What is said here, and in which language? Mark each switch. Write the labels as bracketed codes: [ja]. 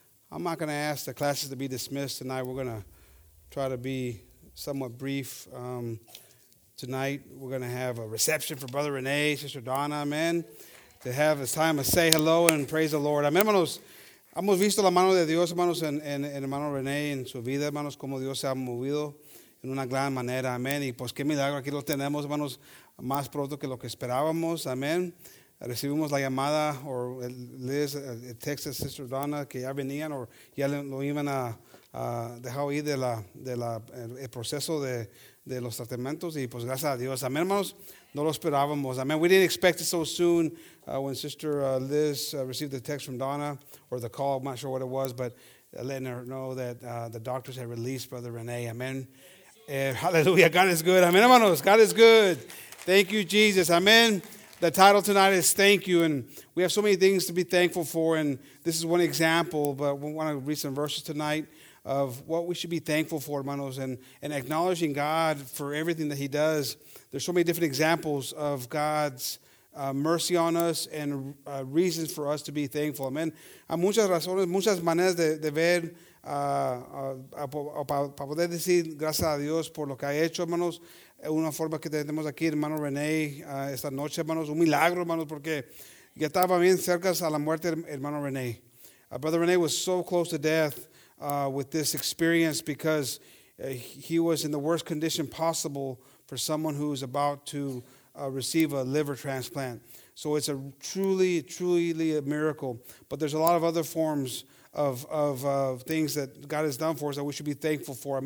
[en] I'm not going to ask the classes to be dismissed tonight. We're going to try to be somewhat brief. Tonight, we're going to have a reception for Brother René, Sister Donna. Amen. To have a time to say hello and praise the Lord. [es] Amen, hermanos. Hemos visto la mano de Dios, hermanos, en hermano René, en su vida, hermanos, como Dios se ha movido en una gran manera. Amén. Y pues qué milagro, aquí lo tenemos, hermanos, más pronto que lo que esperábamos. Amén. Recibimos la llamada, o Liz, el texto de Sister Donna, que ya venían, o ya lo iban a dejar oír el proceso de los tratamientos. Y pues gracias a Dios. Amén, hermanos. No lo esperábamos. Amen. [en] We didn't expect it so soon when Sister Liz received the text from Donna or the call. I'm not sure what it was, but letting her know that the doctors had released Brother Renee. Amen. Hallelujah. God is good. Amen, hermanos. God is good. Thank you, Jesus. Amen. The title tonight is Thank You. And we have so many things to be thankful for. And this is one example, but we want to read some verses tonight of what we should be thankful for, hermanos, and acknowledging God for everything that he does. There's so many different examples of God's mercy on us and reasons for us to be thankful. Amen. [es] Hay muchas razones, muchas maneras de ver, para poder decir gracias a Dios por lo que ha hecho, hermanos. Una forma que tenemos aquí, hermano René, esta noche, hermanos. Un milagro, hermanos, porque ya estaba bien cerca a la muerte, hermano René. [en] Brother René was so close to death with this experience because he was in the worst condition possible for someone who is about to receive a liver transplant. So it's a truly, truly a miracle. But there's a lot of other forms of things that God has done for us that we should be thankful for.